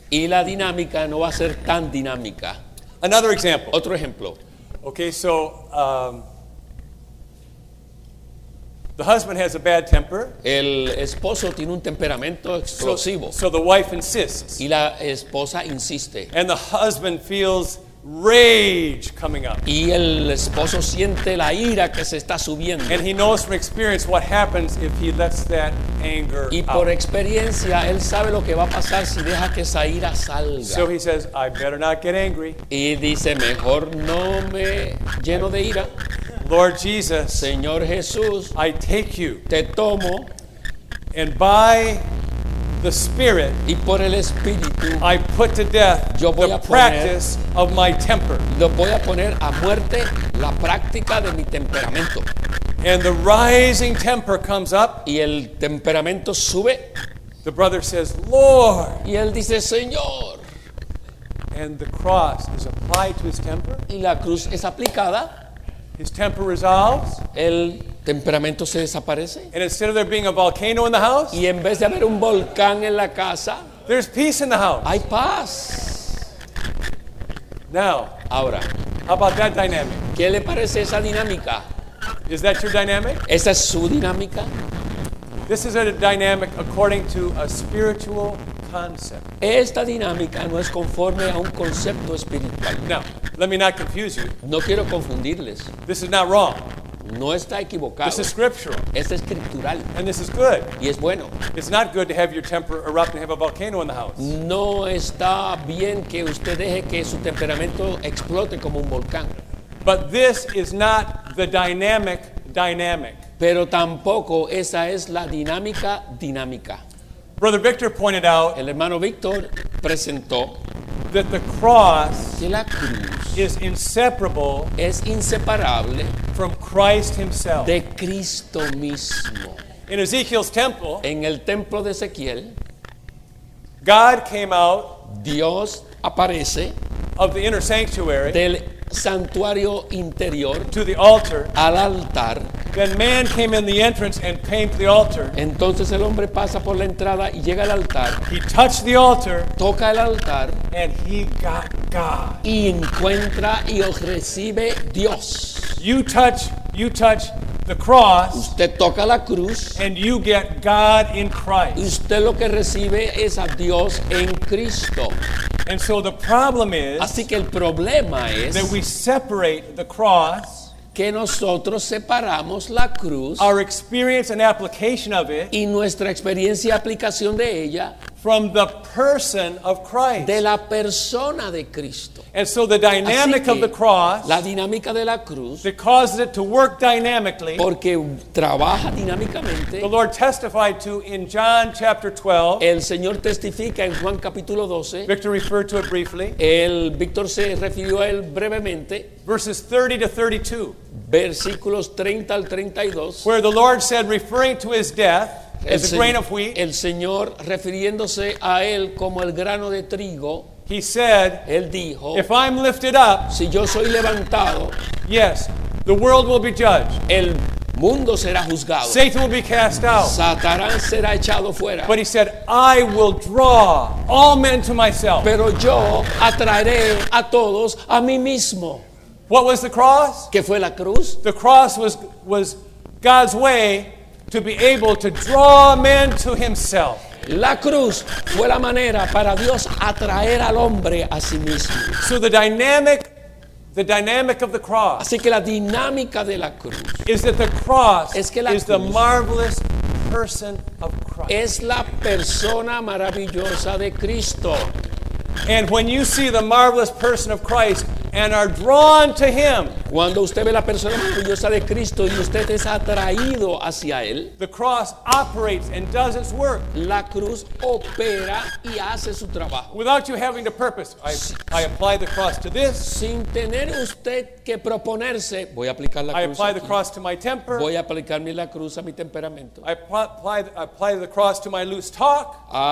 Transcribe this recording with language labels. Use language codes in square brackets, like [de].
[es] Y la dinámica no va a ser tan dinámica. [en] Another example. [es] Otro ejemplo. [en] Okay, so the husband has a bad temper. [es] El esposo tiene un temperamento explosivo. [en] So the wife insists. [es] Y la esposa insiste. [en] And the husband feels rage coming up. [es] Y el esposo siente la ira que se está subiendo. [en] And he knows from experience what happens if he lets that anger out. [es] Y por experiencia él sabe lo que va a pasar si deja que esa ira salga. [en] So he says, "I better not get angry." [es] Y dice, mejor no me lleno de ira. [en] Lord Jesus, [es] Señor Jesús, [en] I take you. [es] Te tomo. [en] And by the Spirit, [es] y por el Espíritu, [en] I put to death [es] yo voy [en] the [es] a [en] practice [es] poner, [en] of my temper. [es] Lo voy a poner a muerte la práctica de mi temperamento. [en] And the rising temper comes up. [es] Y el temperamento sube. [en] The brother says, "Lord." [es] Y él dice, "Señor." [en] And the cross is applied to his temper. [es] Y la cruz es aplicada. [en] His temper resolves. [es] El temperamento se desaparece. [en] And instead of there being a volcano in the house, [es] y en vez de haber un volcán en la casa, [en] there's peace in the house. [es] Hay paz. [en] Now, [es] ahora, [en] how about that dynamic? [es] ¿Qué le parece esa dinámica? [en] Is that your dynamic? [es] ¿Esa es su dinámica? [en] This is a dynamic according to a spiritual concept. [es] Esta dinámica no es conforme a un concepto espiritual. [en] Now, let me not confuse you. [es] No quiero confundirles. [en] This is not wrong. [es] No está equivocado. [en] This is scriptural. [es] Es escritural. [en] And this is good. [es] Y es bueno. [en] It's not good to have your temper erupt and have a volcano in the house. [es] No está bien que usted deje que su temperamento explote como un volcán. [en] But this is not the dynamic. [es] Pero tampoco esa es la dinámica dinámica. [en] Brother Victor pointed out, [es] el hermano Victor presentó, [en] that the cross, [es] que la cruz, [en] is inseparable, [es] es inseparable, [en] from Christ himself, [es] de Cristo mismo. [en] In Ezekiel's temple, [es] en el templo de Ezequiel, [en] God came out, [es] Dios aparece, [en] of the inner sanctuary, [es] del santuario interior, [en] to the altar, [es] al altar. [en] Then man came in the entrance and came to the altar. [es] Entonces el hombre pasa por la entrada y llega al altar. [en] He touched the altar. [es] Toca el altar. [en] And he got God. [es] Y encuentra y recibe Dios. [en] You touch the cross. [es] Usted toca la cruz. [en] And you get God in Christ. [es] Usted lo que recibe es a Dios en Cristo. [en] And so the problem is, [es] así que el problema es, [en] that we separate the cross, [es] que nosotros separamos la cruz, [en] our experience and application of it, [es] y nuestra experiencia y aplicación de ella, [en] from the person of Christ, [es] de la persona de Cristo. [en] And so the dynamic [es] que, [en] of the cross, [es] la dinámica de la cruz, [en] that causes it to work dynamically, [es] porque trabaja dinámicamente, [en] the Lord testified to in John chapter 12, [es] el Señor testifica en Juan capítulo 12, [en] Victor referred to it briefly, [es] el Victor se refirió a él brevemente, [en] verses 30 to 32, [es] versículos 30 al 32, [en] where the Lord said, referring to his death, as a grain of wheat, [es] el Señor refiriéndose a él como el grano de trigo, [en] he said, [es] él dijo, [en] if I'm lifted up, [es] si yo soy levantado, [en] yes, The world will be judged. [es] El mundo será juzgado. [en] Satan will be cast out. [es] Satanás será echado fuera. [en] But he said, I will draw all men to myself. [es] Pero yo atraeré a todos a mí mismo. [en] What was the cross? [es] ¿Qué fue la cruz? [en] The cross was God's way to be able to draw men to himself. [es] La cruz fue la manera para Dios atraer al hombre a sí mismo. [en] So the dynamic of the cross. [es] Así que la dinámica de la cruz. [en] Is that the cross [es] es que la [en] is [es] cruz [en] the marvelous person of Christ. [es] Es la persona maravillosa de Cristo. [en] And when you see the marvelous person of Christ and are drawn to him. [es] Cuando usted ve la persona maravillosa de Cristo y usted es atraído hacia él. [en] The cross operates and does its work. [es] La cruz opera y hace su trabajo. [en] Without you having to purpose, I apply the cross to this. [es] Sin tener usted que proponerse, voy a aplicar la cruz. [en] I apply the cross to my temper. [es] Voy a aplicar la cruz a mi temperamento. [en] I apply the cross to my loose talk.